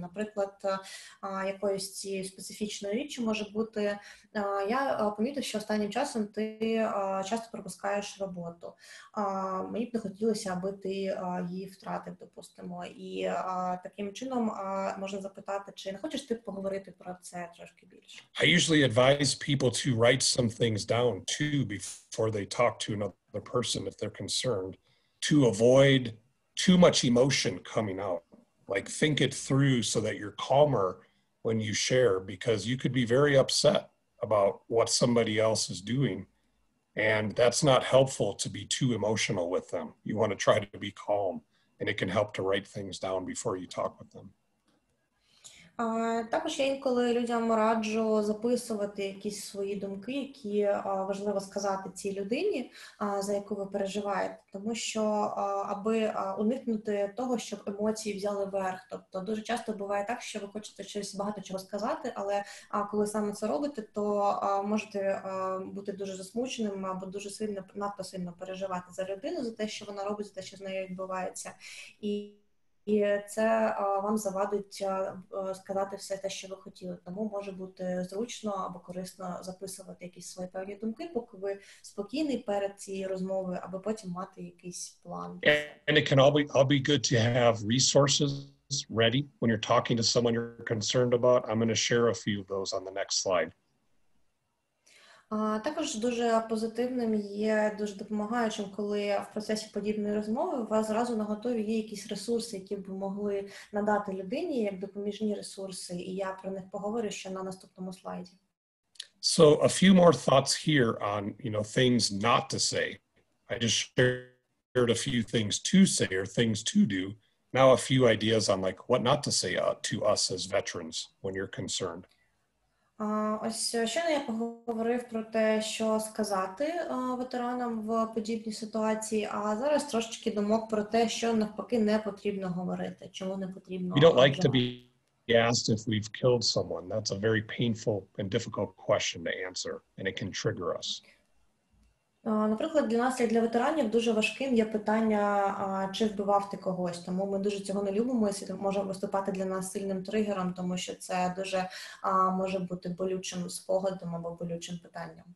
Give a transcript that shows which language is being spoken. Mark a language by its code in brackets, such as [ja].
[uk] Наприклад, якоюсь цією специфічною річчю може бути: я помітив, що останнім часом ти часто пропускаєш роботу. Мені б не хотілося, аби ти її втратив, допустимо. І таким чином можна запитати, чи не хочеш ти поговорити про це трошки більше. [en] I usually advise people to write some things down too before they talk to another person if they're concerned, to avoid too much emotion coming out. Like, think it through so that you're calmer when you share, because you could be very upset about what somebody else is doing, and that's not helpful to be too emotional with them. You want to try to be calm, and it can help to write things down before you talk with them. [uk] Також я інколи людям раджу записувати якісь свої думки, які важливо сказати цій людині, за яку ви переживаєте. Тому що, аби уникнути того, щоб емоції взяли верх. Тобто, дуже часто буває так, що ви хочете щось багато чого сказати, але коли саме це робите, то можете бути дуже засмученим або дуже сильно, надто сильно переживати за людину, за те, що вона робить, за те, що з нею відбувається. І це вам завадить сказати все те, що ви хотіли. Тому може бути зручно або корисно записувати якісь свої певні думки, поки ви спокійний перед цією розмовою, аби потім мати якийсь план. [en] And it can all be good to have resources ready when you're talking to someone you're concerned about. I'm going to share a few of those on the next slide. [uk] Також дуже позитивним є, дуже допомагаючим, коли в процесі подібної розмови у вас зразу на готові є якісь ресурси, які б могли надати людині, як допоміжні ресурси, і я про них поговорю ще на наступному слайді. [en] So a few more thoughts here on, you know, things not to say. I just shared a few things to say or things to do. Now a few ideas on like what not to say to us as veterans when you're concerned. [uk] Ось щойно я поговорив про те, що сказати ветеранам в подібній ситуації, а зараз трошечки думок про те, що навпаки не потрібно говорити, чому не потрібно. [en] We don't like to be asked if we've killed someone. That's a very painful and difficult question to answer, and it can trigger us. [uk] Наприклад, для нас, як для ветеранів, дуже важким є питання, чи вбивав ти когось. Тому ми дуже цього не любимо, і може виступати для нас сильним тригером, тому що це дуже може бути болючим спогадом або болючим питанням.